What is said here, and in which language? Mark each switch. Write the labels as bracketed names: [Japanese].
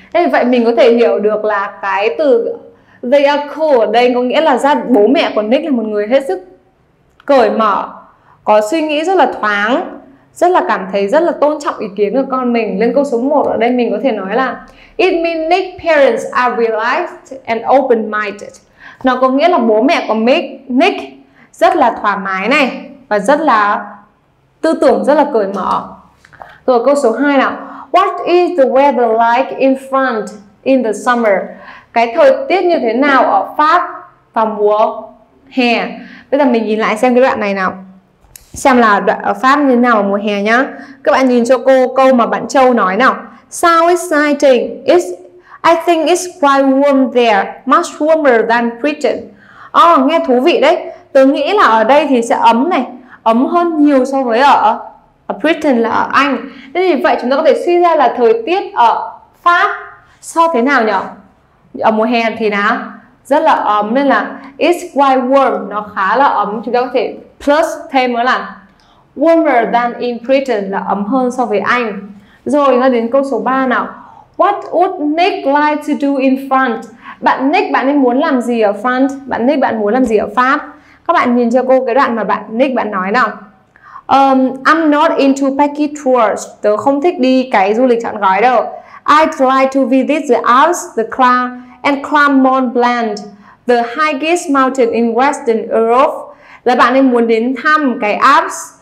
[Vietnamese] Thế vậy mình có thể hiểu được là cái từ they are cool ở đây có nghĩa là ra bố mẹ của Nick là một người hết sức cởi mở, có suy nghĩ rất là thoáng, rất là cảm thấy rất là tôn trọng ý kiến của con mình. Lên câu số 1 ở đây mình có thể nói là [English] it means Nick's parents are relaxed and open-minded. [Vietnamese] Nó có nghĩa là bố mẹ của Nick rất là thoải mái này, và rất là tư tưởng rất là cởi mở. Rồi câu số 2 nào. [English] What is the weather like in France in the summer? [Vietnamese] Cái thời tiết như thế nào ở Pháp vào mùa hè? Bây giờ mình nhìn lại xem cái đoạn này nào. Xem là đoạn ở Pháp như thế nào vào mùa hè nhá. Các bạn nhìn cho cô câu mà bạn Châu nói nào. [English] So exciting. I think it's quite warm there. Much warmer than Britain. [Vietnamese] Nghe thú vị đấy. Tôi nghĩ là ở đây thì sẽ ấm này, ấm hơn nhiều so với ở Britain là ở Anh. Nên vì vậy chúng ta có thể suy ra là thời tiết ở Pháp so thế nào nhỉ? Ở mùa hè thì nó rất là ấm, nên là [English] it's quite warm, [Vietnamese] nó khá là ấm. Chúng ta có thể plus thêm nữa là [English] warmer than in Britain [Vietnamese] là ấm hơn so với Anh. Rồi chúng ta đến câu số 3 nào. [English] What would Nick like to do in France? [Vietnamese] Bạn Nick bạn ấy muốn làm gì ở France? Bạn Nick bạn muốn làm gì ở Pháp? Các bạn nhìn cho cô cái đoạn mà bạn Nick bạn nói nào. [English] I'm not into package tours. [Vietnamese] Tớ không thích đi cái du lịch trọn gói đâu. [English] I'd like to visit the Alps, the Klang and climb Mont Blanc, the highest mountain in Western Europe. [Vietnamese] Là bạn ấy muốn đến thăm cái Alps,